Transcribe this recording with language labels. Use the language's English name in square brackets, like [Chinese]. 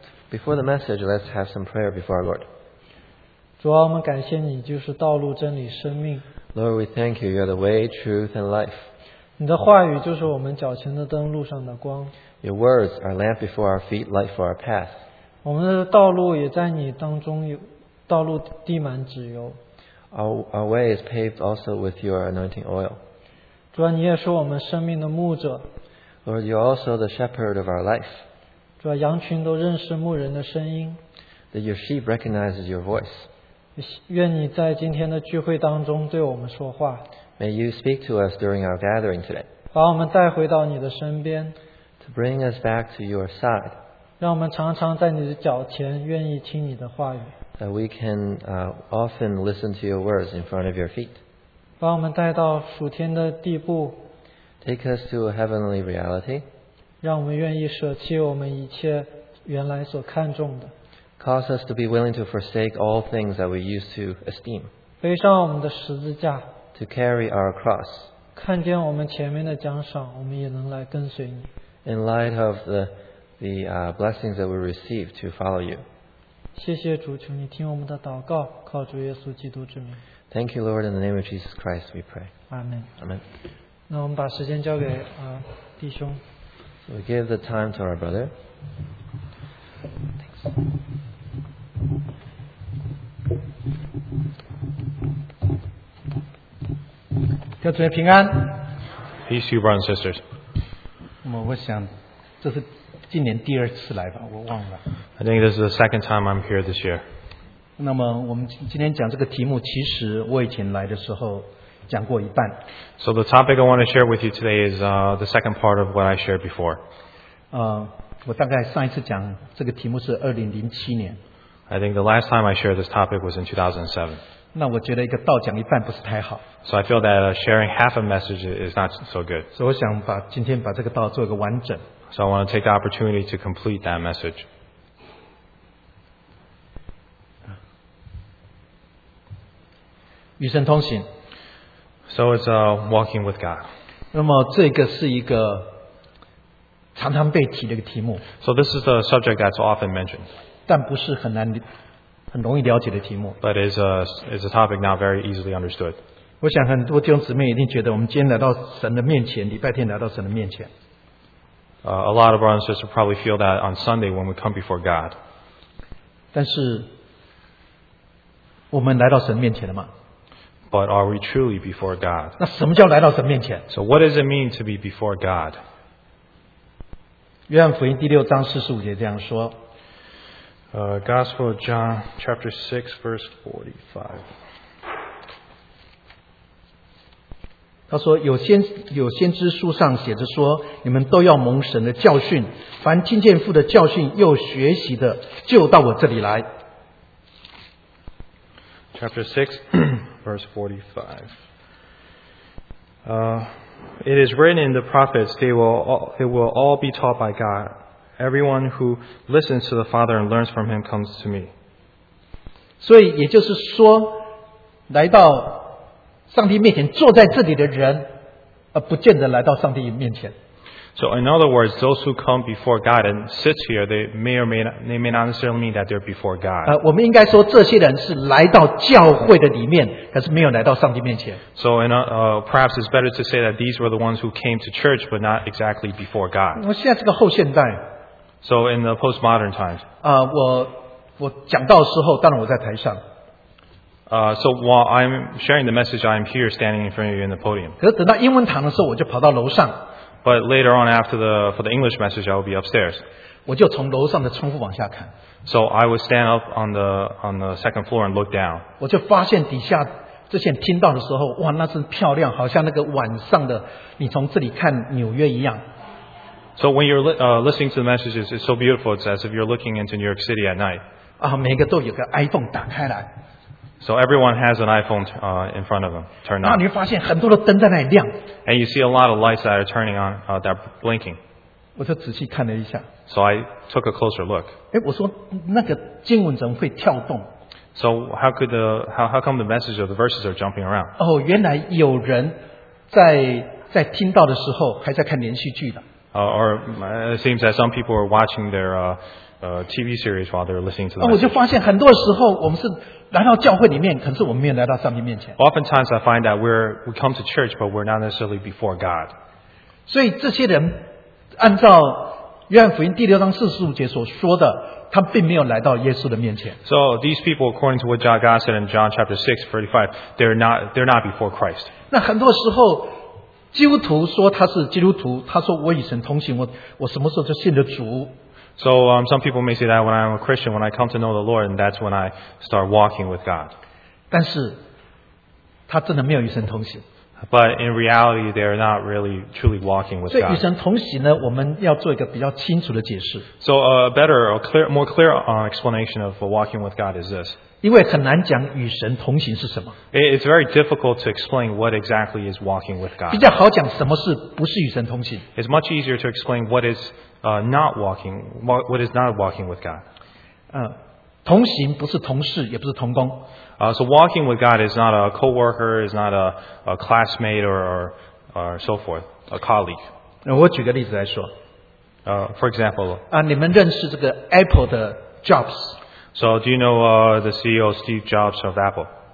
[English] Before the message, let's have some prayer before our Lord. [Chinese] 主啊，我们感谢你，就是道路、真理、生命。 [English] Lord, we thank you. You are the way, truth, and life. [Chinese] 你的话语就是我们脚前的灯，路上的光。 [English] Your words are lamp before our feet, light for our path. [Chinese] 我们的道路也在你当中有道路地满脂油。 [English] Our way is paved also with your anointing oil. [Chinese] 主啊，你也是我们生命的牧者。 [English] Lord, you are also the shepherd of our life. [Chinese] 羊群都认识牧人的声音。 [English] That your sheep recognizes your voice. [Chinese] 愿你在今天的聚会当中对我们说话。 [English] May you speak to us during our gathering today. [Chinese] 把我们带回到你的身边。 [English] To bring us back to your side. [Chinese] 让我们常常在你的脚前愿意听你的话语。 [English] That we can often listen to your words in front of your feet. [Chinese] 把我们带到属天的地步。 [English] Take us to a heavenly reality. [Chinese] 让我们愿意舍弃我们一切原来所看重的。 [English] Cause us to be willing to forsake all things that we used to esteem. [Chinese] 背上我们的十字架。 [English] To carry our cross. [Chinese] 看见我们前面的奖赏，我们也能来跟随你。 [English] In light of the blessings that we receive to follow you. [Chinese] 谢谢主，求你听我们的祷告，靠主耶稣基督之名。 [English] Thank you, Lord, in the name of Jesus Christ, we pray. Amen. Amen. [Chinese] 那我们把时间交给弟兄。 [English] So we give the time to our brother. Thanks. [Chinese] 叫主人平安。 [English] Peace to you, brothers and sisters. [Chinese] 我想这是今年第二次来吧，我忘了。 [English] I think this is the second time I'm here this year. [Chinese] 那么我们今天讲这个题目，其实我以前来的时候讲过一半。 [English] So the topic I want to share with you today is the second part of what I shared before. [Chinese] 我大概上一次讲这个题目是2007年。 [English] I think the last time I shared this topic was in 2007. [Chinese] 那我觉得一个道讲一半不是太好。 [English] So I feel that sharing half a message is not so good. [Chinese] 所以我想把今天把这个道做一个完整。 [English] So I want to take the opportunity to complete that message. [Chinese] 与神同行。 [English] So it's walking with God. [Chinese] 那么这个是一个常常被提的一个题目。 [English] So this is a subject that's often mentioned. [Chinese] 但不是很难很容易了解的题目。 [English] But is a topic not very easily understood. [Chinese] 我想很多弟兄姊妹一定觉得我们今天来到神的面前，礼拜天来到神的面前。 [English] A lot of our ancestors will probably feel that on Sunday when we come before God. [Chinese] 但是我们来到神面前了吗？ [English] But are we truly before God? [Chinese] 那什么叫来到神面前？ [English] So what does it mean to be before God? [Chinese] 约翰福音第六章四十五节这样说。 [English] Gospel of John, chapter 6, verse 45. [Chinese] 他说有先知书上写着说，你们都要蒙神的教训，凡听见父的教训又学习的，就到我这里来。 [English] Chapter 6, verse 45. It is written in the prophets, they will all be taught by God. Everyone who listens to the Father and learns from him comes to me. [Chinese] 所以也就是说，来到上帝面前坐在这里的人，不见得来到上帝面前。 [English] So in other words, those who come before God and sit here, they may not necessarily mean that they're before God. [Chinese] 我们应该说这些人是来到教会的里面，可是没有来到上帝面前。 [English] So perhaps it's better to say that these were the ones who came to church, but not exactly before God. [Chinese] 我现在这个后现代。 [English] So in the postmodern times. [Chinese] 我讲到的时候，当然我在台上。 [English] So while I'm sharing the message, I'm here standing in front of you in the podium. [Chinese] 可是等到英文堂的时候，我就跑到楼上。 [English] But later on, for the English message, I will be upstairs. [Chinese] 我就从楼上的窗户往下看。 [English] So I would stand up on the second floor and look down. [Chinese] 我就发现底下这些听到的时候，哇，那是漂亮，好像那个晚上的你从这里看纽约一样。 [English] So when you're listening to the messages, it's so beautiful. It's as if you're looking into New York City at night. [Chinese] 每个都有个 iPhone 打开来。 [English] So everyone has an iPhone in front of them, turned on. [Chinese] 那你会发现很多的灯在那里亮。 [English] And you see a lot of lights that are turning on, that are blinking. [Chinese] 我就仔细看了一下。 [English] So I took a closer look. [Chinese] 我说那个经文怎么会跳动？ [English] So how come the message or the verses are jumping around? [Chinese] 原来有人在听到的时候还在看连续剧的。 [English] Or it seems that some people are watching their TV series while they're listening to the message. [Chinese] 我就发现很多时候我们是来到教会里面，可是我们没有来到上帝面前。 [English] Oftentimes I find that we come to church, but we're not necessarily before God. [Chinese] 所以这些人按照约翰福音第六章四十五节所说的，他并没有来到耶稣的面前。 [English] So these people, according to what God said in John chapter 6, 45, they're not before Christ. [Chinese] 那很多时候基督徒说他是基督徒，他说我与神同行，我什么时候就信了主。 [English] So some people may say that when I'm a Christian, when I come to know the Lord, and that's when I start walking with God. [Chinese] 但是他真的没有与神同行。 [English] But in reality, they are not really truly walking with God. [Chinese] 所以与神同行呢，我们要做一个比较清楚的解释。 [English] So a better or clear, more clear explanation of walking with God is this. [Chinese] 因为很难讲与神同行是什么。 [English] It's very difficult to explain what exactly is walking with God. [Chinese] 比较好讲什么是不是与神同行。 [English] It's much easier to explain what is not walking, what is not walking with God. [Chinese] 同行不是同事，也不是同工。 [English] So walking with God is not a co-worker, is not a classmate or so forth, a colleague. [Chinese] 我举个例子来说。 [English] For example. [Chinese] 你们认识这个 Apple 的 Jobs? [English] So do you know the CEO Steve Jobs of Apple?